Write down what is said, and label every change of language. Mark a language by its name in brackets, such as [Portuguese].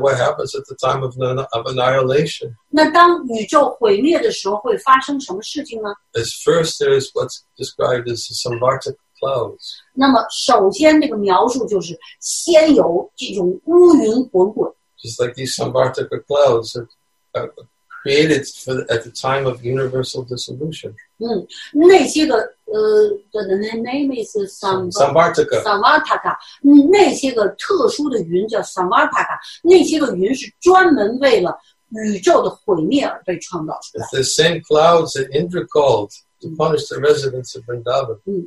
[English] what happens at the time of annihilation? [Chinese] 那当宇宙毁灭的时候，会发生什么事情呢？ [English] As first, there is what's described as the Samvartic clouds. [Chinese] 那么首先这个描述就是先有这种乌云滚滚。 [English] Just like these Samvartika clouds are created for at the time of universal dissolution. [Chinese] 那些个, [English] name is Samvartika. Samvartika. [Chinese] 那些个特殊的云叫Samvartika, 那些个云是专门为了宇宙的毁灭而被创造出来。 [English] The same clouds that Indra called to punish the residents of Vrindavan.